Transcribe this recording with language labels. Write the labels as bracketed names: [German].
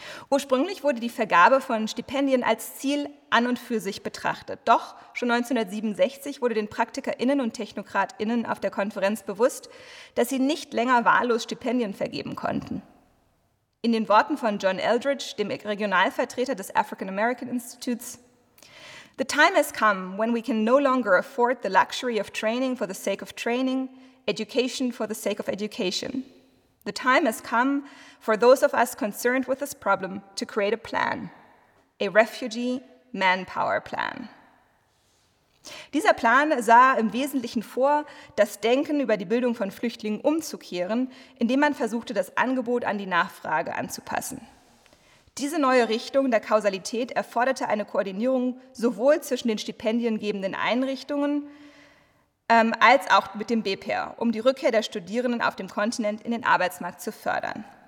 [German] Ursprünglich wurde die Vergabe von Stipendien als Ziel an und für sich betrachtet. Doch schon 1967 wurde den PraktikerInnen und TechnokratInnen auf der Konferenz bewusst, dass sie nicht länger wahllos Stipendien vergeben konnten. In den Worten von John Eldridge, dem Regionalvertreter des African American Institutes: [English] "The time has come when we can no longer afford the luxury of training for the sake of training, education for the sake of education. The time has come for those of us concerned with this problem to create a plan, a refugee manpower plan." [German] Dieser Plan sah im Wesentlichen vor, das Denken über die Bildung von Flüchtlingen umzukehren, indem man versuchte, das Angebot an die Nachfrage anzupassen. Diese neue Richtung der Kausalität erforderte eine Koordinierung sowohl zwischen den stipendiengebenden Einrichtungen als auch mit dem BPER, um die Rückkehr der Studierenden auf dem Kontinent in den Arbeitsmarkt zu fördern.